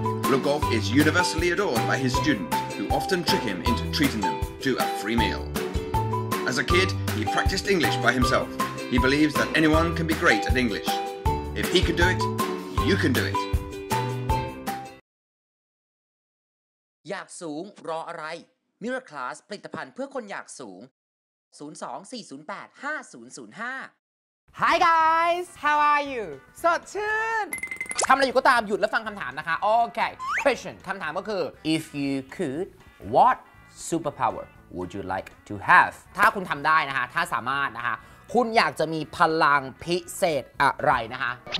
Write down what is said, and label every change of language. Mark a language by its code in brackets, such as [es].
[en] Loukgolf is universally adored by his students, who often trick him into treating them to a free meal. As a kid, he practiced English by himself. He believes that anyone can be great at English. If he can do it, you can do it. [th] อยากสูงรออะไร Miraclas ผลิตภัณฑ์เพื่อคนอยากสูง 02-408-5005 [en] Hi guys! How are you? [th] สดชื่นทำอะไรอยู่ก็ตามหยุดแล้วฟังคำถามนะคะโอเค question คำถามก็คือ [en] if you could what superpower would you like to have [th] ถ้าคุณทำได้นะคะถ้าสามารถนะคะคุณอยากจะมีพลังพิเศษอะไรนะคะ